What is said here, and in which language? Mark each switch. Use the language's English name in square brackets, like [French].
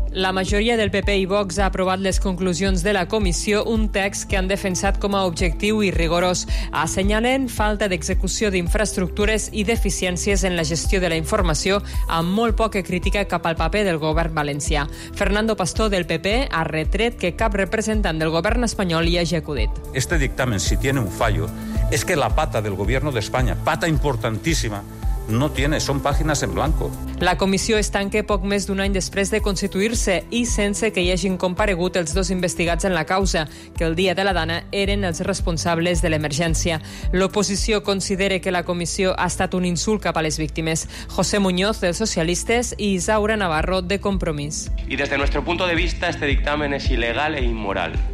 [Catalan] La majoria del PP i Vox ha aprovat les conclusions de la comissió, un text que han defensat com a objectiu i rigorós, assenyalant falta d'execució d'infraestructures i deficiències en la gestió de la informació, amb molt poca crítica cap al paper del govern valencià. Fernando Pastor, del PP, ha retret que cap representant del govern espanyol hi hagi acudit. [Spanish] Este dictamen, si tiene un fallo, es que la pata del gobierno de España, pata importantísima, no tiene, son páginas en blanco. [Catalan] La comissió es tanca poc més d'un any després de constituir-se i sense que hi hagin comparegut els dos investigats en la causa, que el dia de la Dana eren els responsables de l'emergència. L'oposició considera que la comissió ha estat un insult cap a les víctimes. José Muñoz, dels socialistes, i Isaura Navarro, de Compromís. [Spanish] Y desde nuestro punto de vista, este dictamen es ilegal e inmoral.